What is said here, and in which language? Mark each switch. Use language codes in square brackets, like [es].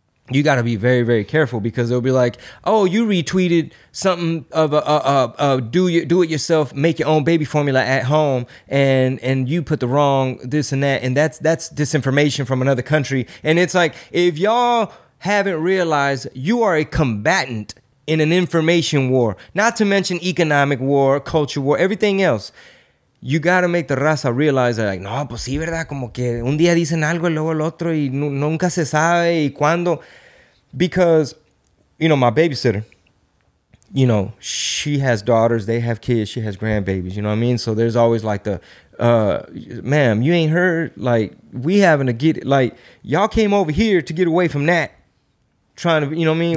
[en] You got to be very, very careful because they'll be like, oh, you retweeted something of a do-it-yourself, make your own baby formula at home, and you put the wrong this and that, and that's disinformation from another country. And it's like, if y'all haven't realized, you are a combatant in an information war, not to mention economic war, culture war, everything else. You got to make the raza realize that, like, [es] no, pues sí, verdad, como que un día dicen algo y luego el otro y nunca se sabe y cuándo. [en] Because, you know, my babysitter, you know, she has daughters, they have kids, she has grandbabies, you know what I mean? So there's always like the, ma'am, you ain't heard, like, we having to get, like, y'all came over here to get away from that, trying to, you know what I mean?